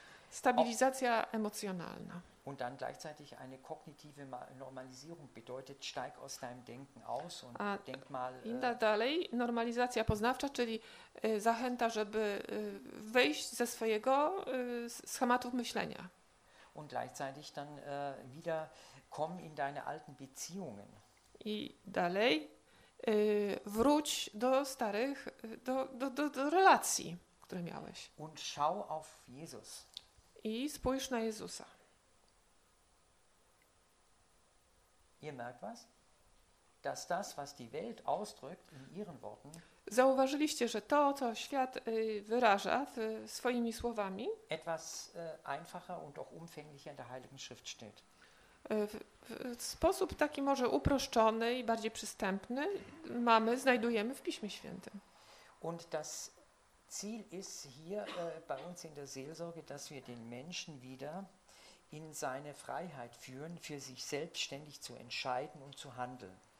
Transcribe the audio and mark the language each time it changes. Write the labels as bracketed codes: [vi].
[pl] Stabilizacja emocjonalna. [de] Und dann gleichzeitig eine kognitive Normalisierung bedeutet, steig aus deinem Denken aus und denk mal. [pl] I dalej normalizacja poznawcza, czyli zachęta, żeby wyjść ze swojego schematu myślenia. [de] Und gleichzeitig dann wieder komm in deine alten Beziehungen. [pl] I dalej wróć do starych, do relacji, które miałeś. [de] Und schau auf Jesus. [pl] I spójrz na Jezusa. [de] Ihr merkt was? Dass das, was die Welt ausdrückt in ihren Worten. [pl] Zauważyliście, że to, co świat wyraża swoimi słowami, [de] etwas einfacher und auch umfänglicher in der Heiligen Schrift steht. [pl] W sposób taki może uproszczony i bardziej przystępny znajdujemy w Piśmie Świętym. [de] Und das Ziel ist hier bei uns in der Seelsorge, dass wir den Menschen wieder in seine Freiheit führen, für sich selbstständig zu entscheiden und zu handeln.